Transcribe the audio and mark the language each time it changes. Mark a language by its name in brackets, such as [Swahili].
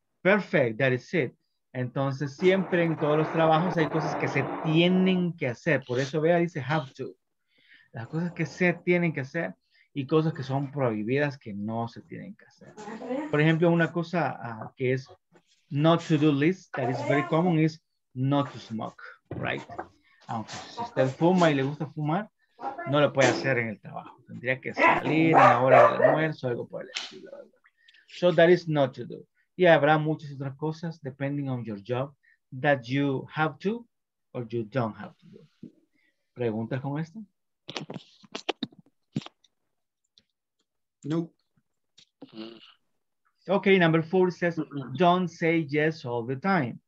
[English] Perfect, that is it. [Spanish] Entonces, siempre en todos los trabajos hay cosas que se tienen que hacer. Por eso Bea dice have to. Las cosas que se tienen que hacer y cosas que son prohibidas que no se tienen que hacer. Por ejemplo, una cosa que es [English] not to do list, that is very common, is not to smoke, right? [Spanish] Aunque si usted fuma y le gusta fumar, no lo puede hacer en el trabajo. Tendría que salir a la hora del almuerzo o algo por el estilo. [English] So that is not to do. [Spanish] Y habrá muchas otras cosas, [English] depending on your job, that you have to or you don't have to do. [Spanish] ¿Preguntas con esto? No. [English] Okay, number four says, don't say yes all the time.